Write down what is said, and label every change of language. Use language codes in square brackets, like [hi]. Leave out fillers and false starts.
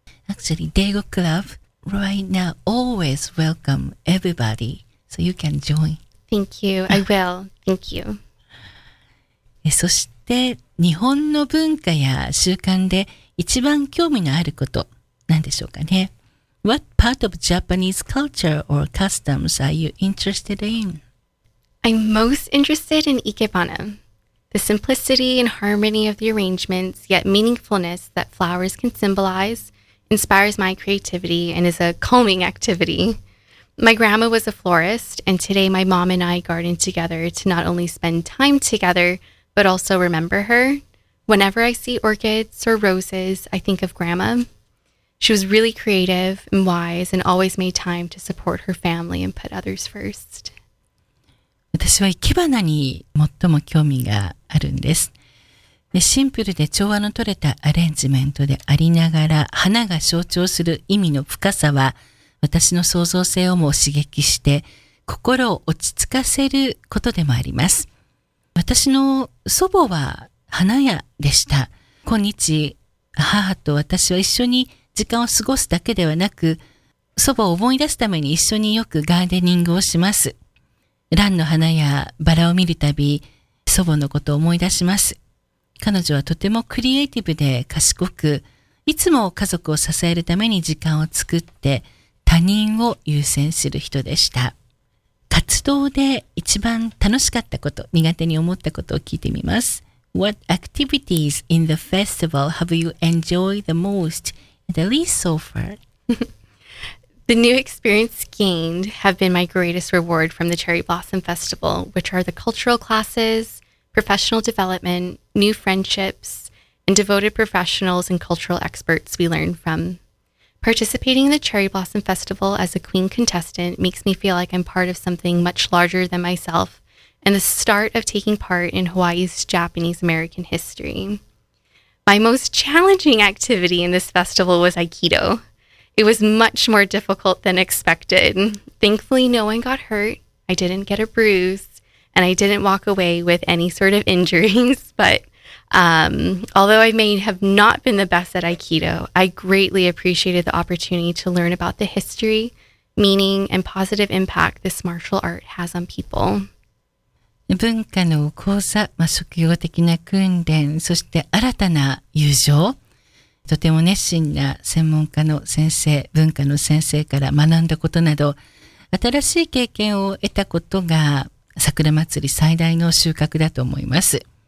[en] Actually, Daegu Club right now always welcome everybody, so you can join. Thank you. I will. Thank you. [ja] そして、日本の文化や習慣で一番興味のあること、何でしょうかね。 [en] What part of Japanese culture or customs are you interested in? I'm most interested in ikebana, the simplicity and harmony of the arrangements, yet meaningfulness that flowers can symbolize inspires my creativity and is a calming activity. My grandma was a florist, and today my mom and I garden together to not only spend time together, but also remember her. Whenever I see orchids or roses, I think of grandma. She was really creative and wise and always made time to support her family and put others first. [ja] 私はいけばなに最も興味があるんです。で、シンプルで調和の取れたアレンジメントでありながら、花が象徴する意味の深さは、私の創造性をも刺激して、心を落ち着かせることでもあります。私の祖母は花屋でした。今日、母と私は一緒に時間を過ごすだけではなく、祖母を思い出すために一緒によくガーデニングをします。蘭の花やバラを見るたび、祖母のことを思い出します。彼女はとてもクリエイティブで賢く、いつも家族を支えるために時間を作って、他人を優先する人でした。活動で一番楽しかったこと、苦手に思ったことを聞いてみます。 [en] What activities in the festival have you enjoyed the most? At least so far. The new experience gained have been my greatest reward from the Cherry Blossom Festival, which are the cultural classes, professional development, new friendships, and devoted professionals and cultural experts we learn from. Participating in the Cherry Blossom Festival as a queen contestant makes me feel like I'm part of something much larger than myself and the start of taking part in Hawaii's Japanese American history. My most challenging activity in this festival was Aikido. It was much more difficult than expected. Thankfully, no one got hurt. I didn't get a bruise, and I didn't walk away with any sort of injuries. But although I may have not been the best at Aikido, I greatly appreciated the opportunity to learn about the history, meaning, and positive impact this martial art has on people. [ja] 文化の講座、まあ、職業的な訓練、そして新たな友情、とても熱心な専門家の先生、文化の先生から学んだことなど、新しい経験を得たことが桜祭り最大の収穫だと思います。